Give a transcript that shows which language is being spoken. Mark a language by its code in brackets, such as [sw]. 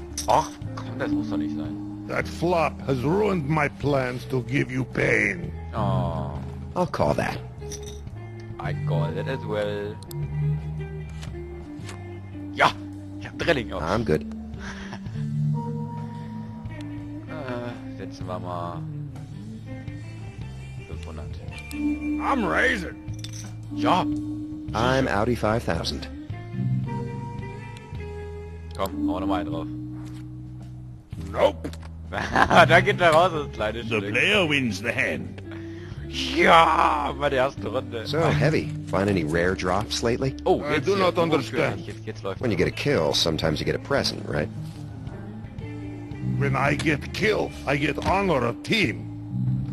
[de] Ach, komm, das muss doch nicht sein. [en] That flop has ruined my plans to give you pain. Oh. I'll call that. I call it as well. [de] Ja, ich hab Drilling auf. [en] I'm good. [de] setzen wir mal 500. [en] I'm raising. Job. I'm Audi 5000. [de] Komm, hau nochmal einen drauf. [en] Nope. [de] Da geht er raus, das kleine Stück. [en] The player wins the hand. [de] Ja, bei der ersten Runde. [en] So, Heavy, find any rare drops lately? [de] Oh, jetzt, [en] I do not [de] ja, [en] understand. When you get a kill, sometimes you get a present, right? When I get kill, I get honor of team.